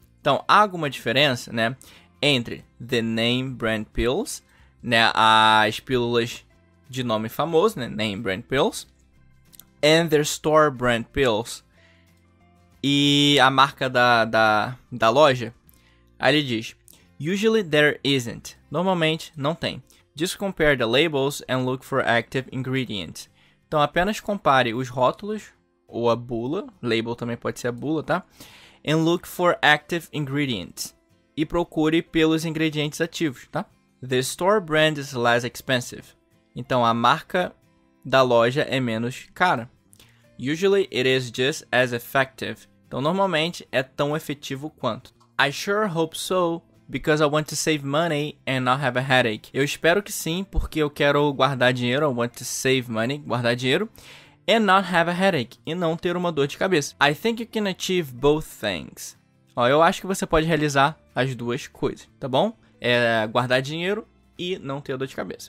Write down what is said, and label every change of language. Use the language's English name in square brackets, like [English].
[Portuguese] Então, há alguma diferença, né, entre [English] the name brand pills, [Portuguese] né, as pílulas de nome famoso, né, name brand pills, [English] and the store brand pills, [Portuguese] e a marca da loja? Aí ele diz, [English] usually there isn't, [Portuguese] normalmente não tem. [English] Just compare the labels and look for active ingredients. [Portuguese] Então, apenas compare os rótulos ou a bula, label também pode ser a bula, tá? [English] And look for active ingredients. [Portuguese] E procure pelos ingredientes ativos, tá? [English] The store brand is less expensive. [Portuguese] Então, a marca da loja é menos cara. [English] Usually it is just as effective. [Portuguese] Então, normalmente é tão efetivo quanto. [English] I sure hope so, because I want to save money and not have a headache. [Portuguese] Eu espero que sim, porque eu quero guardar dinheiro. [English] I want to save money, [Portuguese] guardar dinheiro. [English] And not have a headache, [Portuguese] e não ter uma dor de cabeça. [English] I think you can achieve both things. [Portuguese] Ó, eu acho que você pode realizar as duas coisas, tá bom? É guardar dinheiro e não ter dor de cabeça.